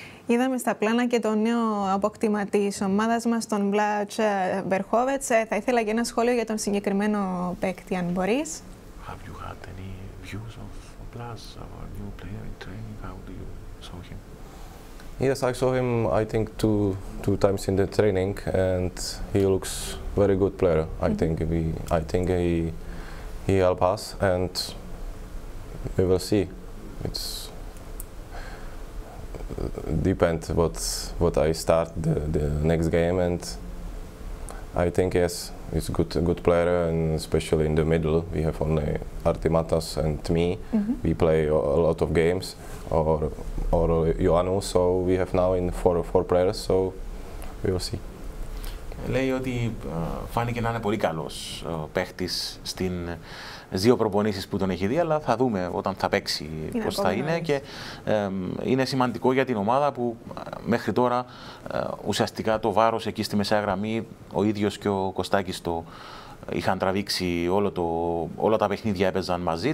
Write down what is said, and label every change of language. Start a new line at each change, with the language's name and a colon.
Greek: Είδαμε στα πλάνα και το νέο αποκτήμα της ομάδας μας, τον Βλατς Βερχόβετς. Θα ήθελα και ένα σχόλιο για τον συγκεκριμένο παίκτη, αν μπορείς.
English: Have you had any views of Vlas, our new player in training? How do you saw him? Yes, I saw him, I think, two times in the training, and he looks very good player. I think he help us, and we will see. It's depend what I start the next game, and I think yes, it's good player, and especially in the middle we have only Artimatas and me. Mm-hmm. We play a lot of games or Ioannou, so we have now in four players, so we will see.
Greek: Λέει ότι φάνηκε να είναι πολύ καλός παίχτης στις δύο προπονήσεις που τον έχει δει, αλλά θα δούμε όταν θα παίξει πώς θα είναι. Και είναι σημαντικό για την ομάδα που μέχρι τώρα ουσιαστικά το βάρος εκεί στη μεσαία γραμμή ο ίδιος και ο Κωστάκης το είχαν τραβήξει, όλα τα παιχνίδια έπαιζαν μαζί.